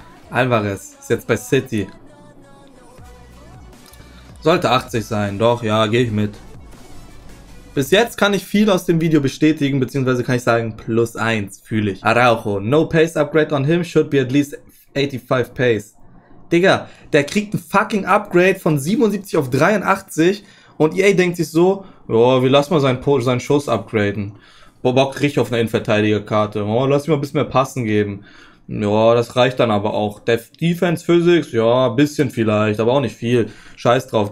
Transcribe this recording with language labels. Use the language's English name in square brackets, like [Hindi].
[German] Alvarez ist jetzt bei City. Sollte 80 sein. Doch, ja, gehe ich mit. Bis jetzt kann ich viel aus dem Video bestätigen, beziehungsweise kann ich sagen, plus 1 fühle ich. [English] Araujo, no pace upgrade on him, should be at least 85 pace. [German] Digga, der kriegt ein fucking Upgrade von 77 auf 83 und EA denkt sich so, oh, wir lassen mal seinen Schuss upgraden. Boah, Bock richtig auf eine Innenverteidigerkarte. Oh, lass ihm mal ein bisschen mehr Passen geben. Ja, das reicht dann aber auch. Defense Physics, ja, ein bisschen vielleicht, aber auch nicht viel. Scheiß drauf.